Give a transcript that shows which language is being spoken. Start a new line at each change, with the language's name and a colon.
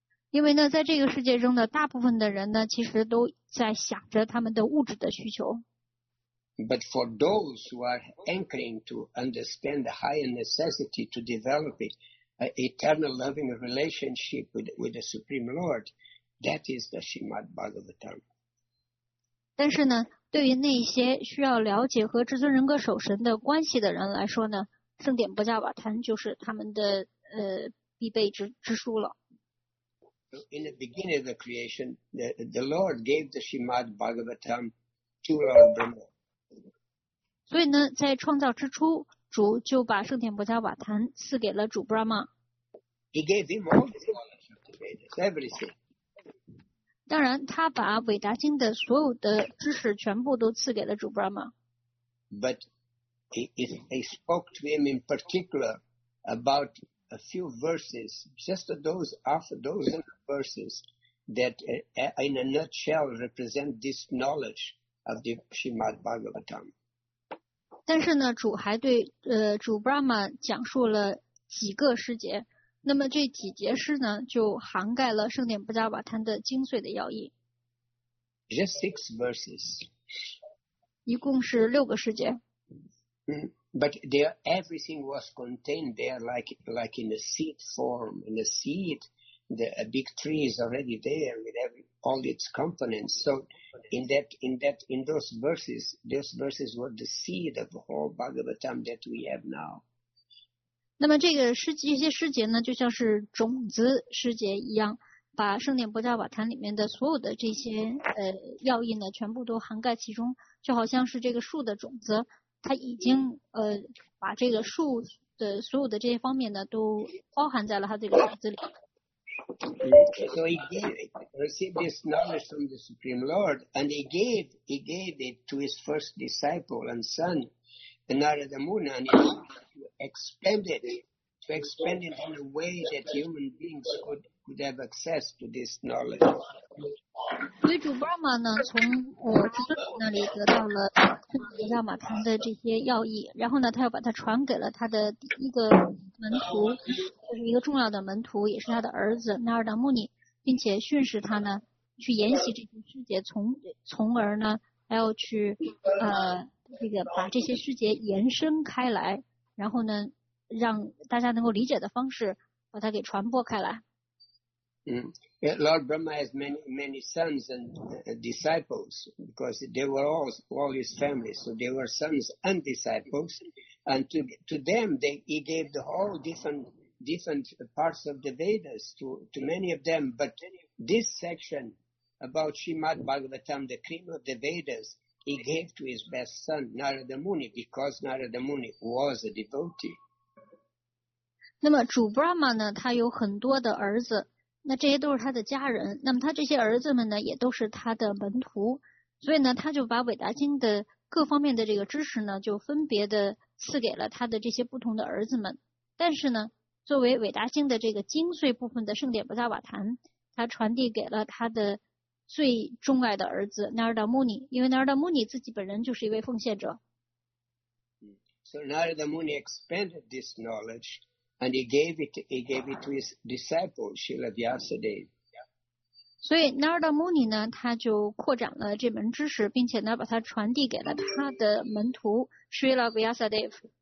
Chinese: 因为呢，在这个世界中的大部分的人呢，其实都在想着他们的物质的需求。
English: But for those who are anchoring to understand the higher necessity to develop an eternal loving relationship with the Supreme Lord, that is the Srimad Bhagavatam.
Chinese: 但是呢，对于那些需要了解和至尊人格守神的关系的人来说呢，圣典不加瓦坦就是他们的必备之书了。
English: So、in the beginning of the creation, the Lord gave the Srimad Bhagavatam to Lord Brahma.
Chinese: 所以呢，在创造之初，主就把圣典波迦瓦坛赐给了主 Brahma。
English: He gave him all the knowledge of the Vedas, everything.
Chinese: 当然，他把韦达经的所有的知识全部都赐给了主 Brahma。
English: But he spoke to him in particular about a few verses, just those half a dozen verses that, in a nutshell, represent this knowledge of the Srimad Bhagavatam.
Chinese: 但是呢，主还对主 Brahma 讲述了几个诗节，那么这几节诗呢，就涵盖了圣典不加瓦坛的精髓的要义。
English: Just six verses.
Chinese: 一共是六个诗节。
English: But there everything was contained there, like in a seed form. In a seed, a big tree is already there with all its components. So. In those verses were the seed of the whole Bhagavatam that we have now.
Chinese: 那么这些诗节呢，就像是种子诗节一样，把圣典波迦瓦坛里面的所有的这些要义呢，全部都涵盖其中，就好像是这个树的种子，它已经把这个树的所有的这些方面呢，都包含在了它这个种子里。
English: So he received this knowledge from the Supreme Lord, and he gave it to his first disciple and son, Narada Muni, and to expand it in a way that human beings could have access to this knowledge.
Chinese: 所以主 Brahma 呢，从我至尊那里得到了圣典波迦瓦坛的这些要义，然后呢，他又把它传给了他的第一个门徒。就是一个重要的门徒，也是他的儿子纳尔达穆尼，并且训示他呢去研习这些诗节，从而呢还要去这个把这些诗节延伸开来，然后呢让大家能够理解的方式把它给传播开来。
English: Lord Brahma has many sons and disciples because they were all his family, so they were sons and disciples, and to them he gave the whole different parts of the Vedas to many of them, but this section about Srimad Bhagavatam, the cream of the Vedas, he gave to his best son, Narada Muni, because Narada Muni was a devotee.
Chinese: 那么主 Brahma 呢，他有很多的儿子，那这些都是他的家人，那么他这些儿子们呢，也都是他的门徒，所以呢，他就把韦达经的各方面的这个知识呢，就分别的赐给了他的这些不同的儿子们，但是呢作为伟大经的这个精髓部分的圣典波迦瓦坛，他传递给了他的最钟爱的儿子纳尔达穆尼，因为纳尔达穆尼自己本人就是一位奉献者。
English: So Narada Muni expanded this knowledge and he gave it to his disciple Srila Vyasadeva.
Chinese: 所以纳尔达穆尼呢，他就扩展了这门知识，并且呢把它传递给了他的门徒 Srila Vyasadeva。